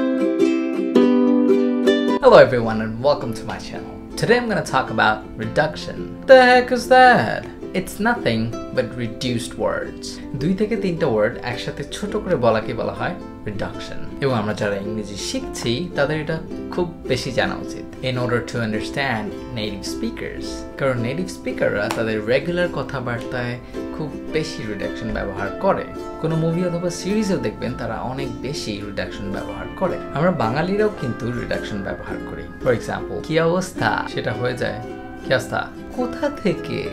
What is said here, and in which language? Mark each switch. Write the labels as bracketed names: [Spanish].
[English] Hello everyone and welcome to my channel. Today I'm going to talk about reduction. What the heck is that? It's nothing but reduced words. [Bangla] দুই থেকে তিনটা word একসাথে ছোট করে বলাকে বলা হয় reduction. এবং আমরা যারা ইংরেজি শিখছি তাদের এটা খুব বেশি জানা উচিত. [English] In order to understand native speakers. [Bangla] কারণ native speakerরা তাদের regular কথাবার্তায় খুব বেশি reduction ব্যবহার করে. কোনো মুভি অথবা সিরিজেও দেখবেন তারা অনেক বেশি reduction ব্যবহার করে. আমরা বাঙালিরাও কিন্তু reduction ব্যবহার করি. [English] For example, [Bangla] কি অবস্থা সেটা হয়ে যায় কিয়াস্তা কোথা থেকে